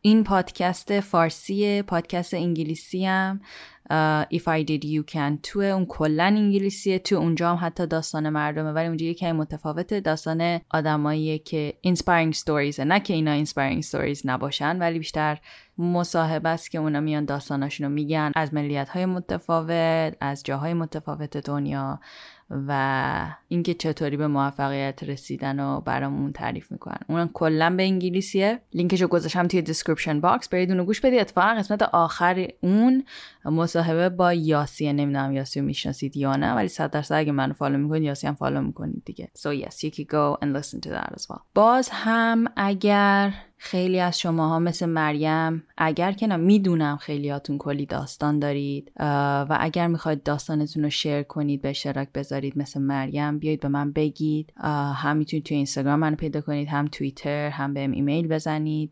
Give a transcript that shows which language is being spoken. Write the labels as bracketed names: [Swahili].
[Persian] این پادکست فارسیه، پادکست انگلیسی هم If I Did You Can توه، اون کلن انگلیسیه، تو اونجا هم حتی داستان مردمه، ولی اونجا یکی متفاوته، داستان آدماییه که [English] inspiring stories، [Persian] نه که اینا inspiring stories نباشن، ولی بیشتر مصاحبه است که اونا میان داستاناشونو میگن، از ملیت‌های متفاوت، از جاهای متفاوت دنیا، و اینکه چطوری به موفقیت رسیدن و برامون تعریف میکنن. اونم کلا به انگلیسیه. لینکشو گذاشتم توی دیسکریپشن باکس، برید اونو گوش بدید. اتفاقا قسمت آخر اون مصاحبه با یاسیه، نمیدونم یاسی رو میشناسید یا نه، ولی 100% اگه منو فالو میکنید یاسی هم فالو میکنید دیگه. [English] So yes, you can go and listen to that as well. [Persian] باز هم اگر خیلی از شماها مثل مریم، اگر که میدونم خیلیاتون کلی داستان دارید و اگر میخواید داستانتون رو شیر کنید، به اشتراک بذارید مثل مریم، بیایید به من بگید. هم میتونید توی اینستاگرام منو پیدا کنید، هم توییتر، هم بهم ایمیل بزنید.